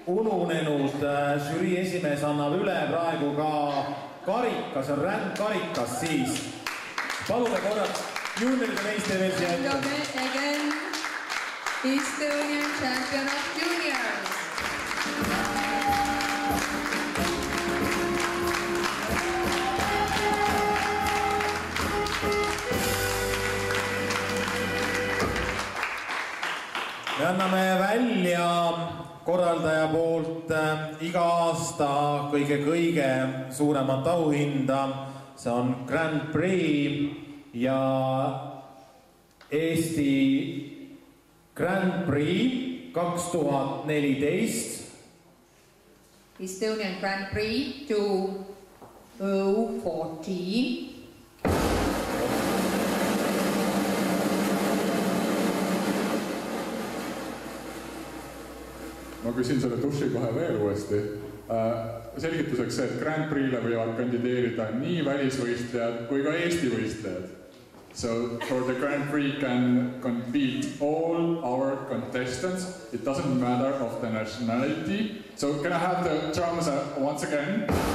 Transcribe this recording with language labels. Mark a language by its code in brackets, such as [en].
[et] Jüri esimees annab üle praegu ka karikas, ränd karikas siis. Palume korrat juunioride meistri veel siia ette. [en] Again, Estonian champion of juniors. [et] Me anname välja korraldaja poolt iga aasta kõige suuremat auhinda. See on Grand Prix ja Eesti Grand Prix 2014. [en] Estonian Grand Prix 2014. [et] Ma küsin selle tushi kohe veel uuesti. Selgituseks see, et Grand Prix'le võivad kandideerida nii välisvõistlejad kui ka Eesti võistlejad. [en] So, for the Grand Prix can compete all our contestants. It doesn't matter of the nationality. So, can I have the drums once again?